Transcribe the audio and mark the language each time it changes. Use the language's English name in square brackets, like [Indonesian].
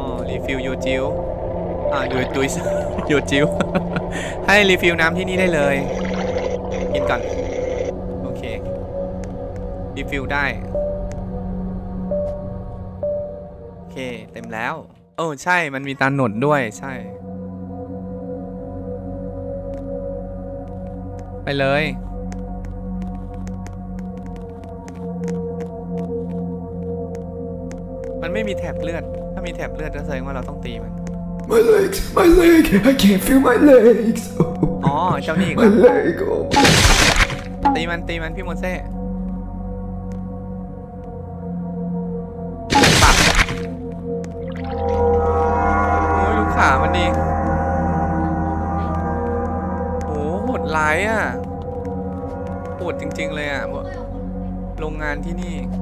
[Thai] รีฟิลยูจิ้วยูจิ้วให้รีฟิลน้ำที่นี่ได้เลยกินก่อนโอเครีฟิลได้โอเคเต็มแล้วเออใช่มันมีตาหนดด้วยใช่ไปเลย มันไม่มีแถบเลือดถ้ามีแถบเลือดก็แสดงว่าเราต้องตีมัน [English] My legs my leg I can't feel my legs [Thai] อ๋อเจ้านี่ [English] My leg [Thai] ตีมันตีมันพี่โมเซ่ปักโอ้ยลูกขามันดีโอ้โหดร้ายอ่ะปวดจริงๆเลยอ่ะโรงงานที่นี่